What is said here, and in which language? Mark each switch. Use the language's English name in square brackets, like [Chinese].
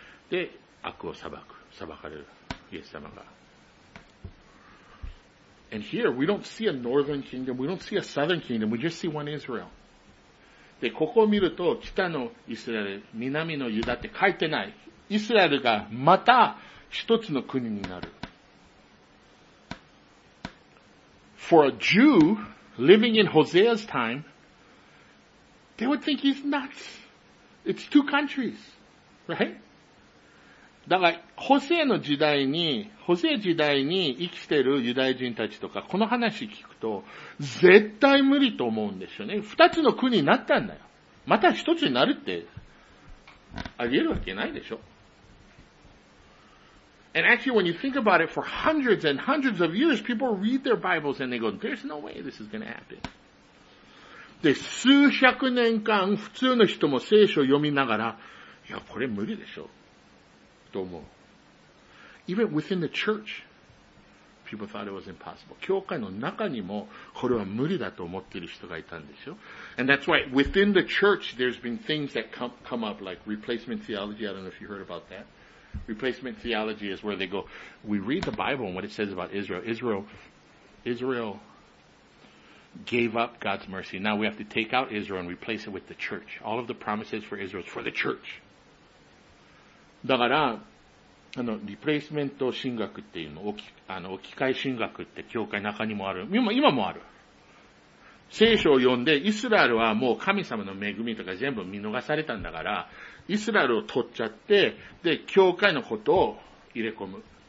[Japanese] で、悪を裁く、裁かれるイエス様が。 [English] And here, we don't see a northern kingdom, we don't see a southern kingdom, we just see one Israel. [Japanese] で、ここを見ると、北のイスラエル、南のユダって書いてない。イスラエルがまた一つの国になる。 [English] For a Jew living in Hosea's time, they would think he's nuts. It's two countries, right? [Japanese] だから、ホセア時代に生きているユダヤ人たちとか、この話聞くと、絶対無理と思うんですよね。二つの国になったんだよ。また一つになるって、あり得るわけないでしょ。 [English] And actually, when you think about it, for hundreds and hundreds of years, people read their Bibles and they go, there's no way this is going to happen. [Japanese] で、数百年間、普通の人も聖書を読みながら、いや、これ無理でしょ。と思う。 [English] Even within the church, people thought it was impossible. [Japanese] 教会の中にも、これは無理だと思っている人がいたんでしょ。 [English] And that's why, within the church, there's been things that come up, like replacement theology. I don't know if you heard about that. Replacement theology is where they go, we read the Bible and what it says about Israel. Israel gave up God's mercy. Now we have to take out Israel and replace it with the church. All of the promises for Israel is for the church. [Japanese] だから、リプレイスメント神学っていうの、置き換え神学って教会の中にもある。今もある。聖書を読んで、イスラエルはもう神様の恵みとか全部見逃されたんだから、イスラエルを取っちゃって、で、教会のことを入れ込む。